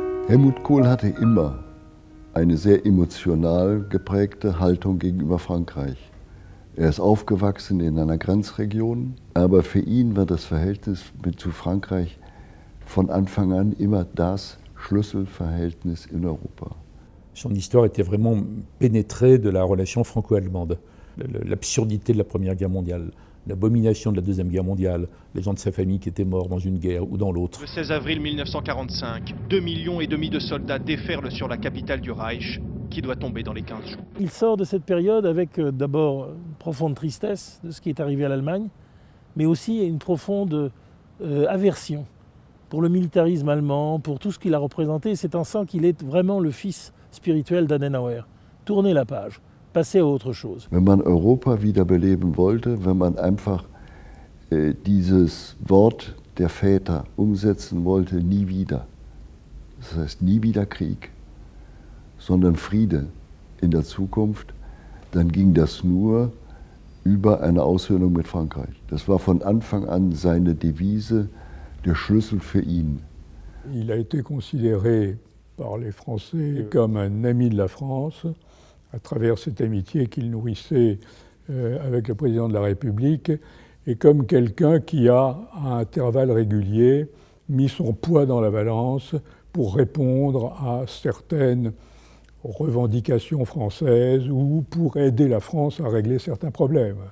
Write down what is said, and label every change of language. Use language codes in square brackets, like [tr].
[de] Helmut Kohl hatte immer eine sehr emotional geprägte Haltung gegenüber Frankreich. Er ist aufgewachsen in einer Grenzregion, aber für ihn war das Verhältnis zu Frankreich von Anfang an immer das Schlüsselverhältnis in Europa. [fr] Son histoire était vraiment pénétrée de la relation franco-allemande, l'absurdité de la Première Guerre mondiale, l'abomination de la Deuxième Guerre mondiale, les gens de sa famille qui étaient morts dans une guerre ou dans l'autre. Le 16 avril 1945, 2,5 millions de soldats déferlent sur la capitale du Reich, qui doit tomber dans les 15 jours. Il sort de cette période avec d'abord une profonde tristesse de ce qui est arrivé à l'Allemagne, mais aussi une profonde aversion pour le militarisme allemand, pour tout ce qu'il a représenté. C'est en sens qu'il est vraiment le fils spirituel d'Adenauer. Tourner la page, passer à autre chose. [de] Wenn man Europa wiederbeleben wollte, wenn man einfach dieses Wort der Väter umsetzen wollte, nie wieder. Das heißt, nie wieder Krieg. Sondern Friede in der Zukunft, dann ging das nur über eine Aussöhnung mit Frankreich. Das war von Anfang an seine Devise, der Schlüssel für ihn. [fr] Il a été considéré par les Français comme un ami de la France, à travers cette amitié qu'il nourrissait avec le président de la République, et comme quelqu'un qui a, à intervalles réguliers, mis son poids dans la balance pour répondre à certaines revendications françaises ou pour aider la France à régler certains problèmes.